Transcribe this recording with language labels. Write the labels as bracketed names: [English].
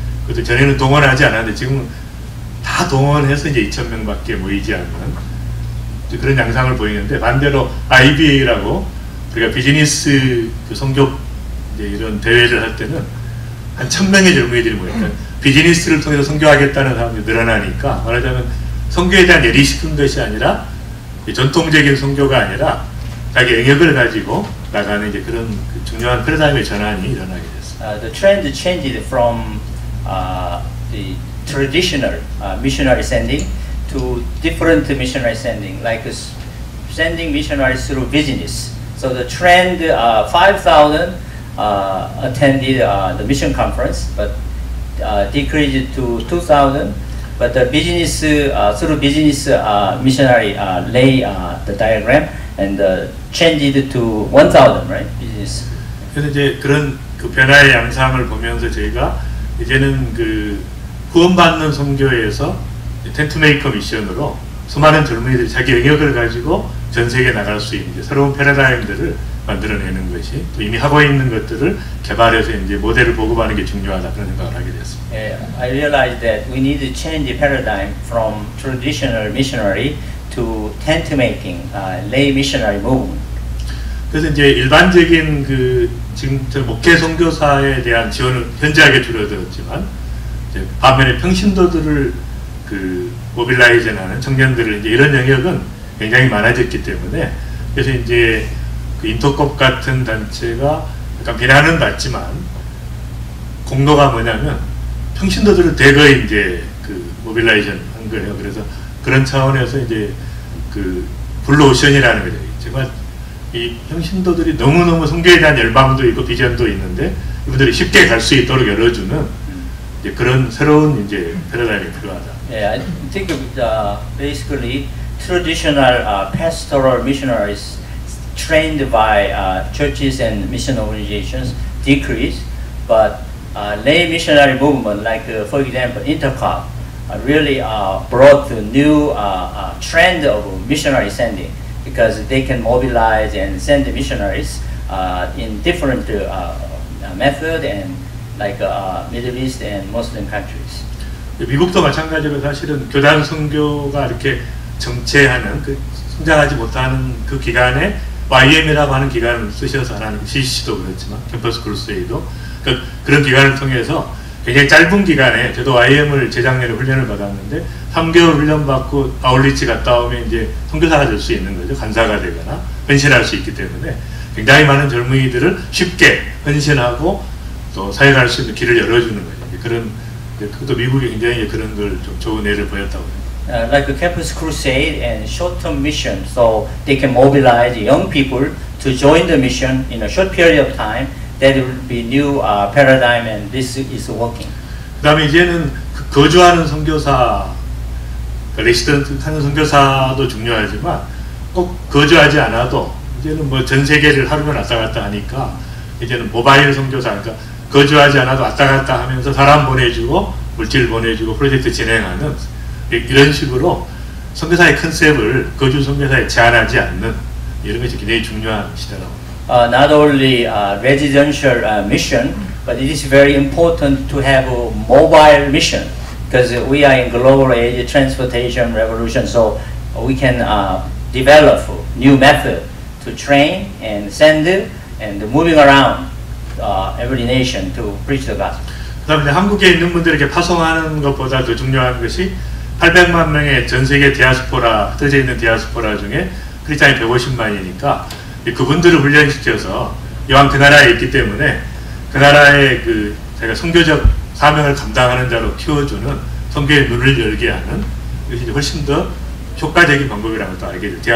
[Korean] 그것도 전에는 동원하지 않았는데 지금 다 동원해서 이제 2,000명밖에 모이지 않는 그런 양상을 보이는데 반대로 IBA라고 우리가 비즈니스 그 선교 이제 이런 대회를 할 때는 한 1,000명의 젊은이들이 모였다. 비즈니스를 통해서 선교하겠다는 사람이 늘어나니까 말하자면 선교에 대한 예리식은 것이 아니라 전통적인 선교가 아니라 자기 영역을 가지고 나가는 이제 그런 그 중요한 패러다임의 전환이 일어나게 됐습니다. [English] The trend changed from the traditional missionary sending to different missionary sending, like sending missionaries through business. So the trend 5,000 attended the mission conference, but decreased to 2,000, but the business through business missionary lay the diagram and changed to 1,000, right? Business. [Korean] 그래서 이제 그런 그 변화의 양상을 보면서 저희가 이제는 그 후원받는 선교에서 텐트 메이커 미션으로 수많은 젊은이들이 자기 영역을 가지고 전 세계 나갈 수 있는 이제 새로운 패러다임들을 만들어내는 것이 또 이미 하고 있는 것들을 개발해서 이제 모델을 보급하는 게 중요하다 그런 생각을 하게 됐습니다. [English] Yeah, I realized that we need to change the paradigm from traditional missionary to tent making, lay missionary movement. [Korean] 그래서 이제 일반적인 그 지금 목회 선교사에 대한 지원은 현저하게 줄어들었지만 이제 반면에 평신도들을 그 모빌라이즈하는 청년들을 이제 이런 영역은 굉장히 많아졌기 때문에 그래서 이제 그 인터콥 같은 단체가 약간 비난은 받지만 공로가 뭐냐면 평신도들은 대거 이제 그 모빌라이션 한 거예요. 그래서 그런 차원에서 이제 그 블루오션이라는 거죠. 정말 이 평신도들이 너무너무 성교에 대한 열망도 있고 비전도 있는데 이분들이 쉽게 갈 수 있도록 열어주는 이제 그런 새로운 이제 패러다임이 필요하다. [English] Yeah, I think basically traditional pastoral missionaries trained by churches and mission organizations decreased, but lay missionary movement, like for example Intercom, really brought the new trend of missionary sending, because they can mobilize and send missionaries in different method and like Middle East and Muslim countries. [Korean] 미국도 마찬가지로 사실은 교단 선교가 이렇게 정체하는 그 성장하지 못하는 그 기간에 YM이라고 하는 기간을 쓰셔서 하는 CCC도 그렇지만 캠퍼스 크루세이도 그런 기간을 통해서 굉장히 짧은 기간에 저도 YM을 재작년에 훈련을 받았는데 3개월 훈련 받고 아울리치 갔다 오면 이제 선교사가 될 수 있는 거죠. 간사가 되거나 헌신할 수 있기 때문에 굉장히 많은 젊은이들을 쉽게 헌신하고 또 사역할 수 있는 길을 열어주는 거예요. 그런 그것도 미국이 굉장히 그런 걸 좀 좋은 예를 보였다고 해요. [English] Like a campus crusade and short-term mission, so they can mobilize young people to join the mission in a short period of time. That will be new paradigm, and this is working. [Korean] 그다음에 이제는 그 거주하는 선교사, 그 레시던트 하는 선교사도 중요하지만 꼭 거주하지 않아도 이제는 뭐 전 세계를 하루면 왔다 갔다 하니까 이제는 모바일 선교사, 그러니까 거주하지 않아도 왔다 갔다 하면서 사람 보내주고 물질 보내주고 프로젝트 진행하는. 이런 식으로 선교사의 컨셉을 거주 선교사에 제한하지 않는 이런 것이 굉장히 중요한 시대라고. [English] Not only residential mission, but it is very important to have a mobile mission because we are in global age transportation revolution. So we can develop a new method to train and send and moving around every nation to preach the gospel. [Korean] 그다음에 한국에 있는 분들에게 파송하는 것보다 더 중요한 것이 800만 명의 전 세계 디아스포라, 흩어져 있는 디아스포라 중에 크리스찬이 150만이니까 그분들을 훈련시켜서 이왕 그 나라에 있기 때문에 그 나라의 그 제가 선교적 사명을 감당하는 자로 키워주는 선교의 눈을 열게 하는 이것이 훨씬 더 효과적인 방법이라는 것도 알게 돼요.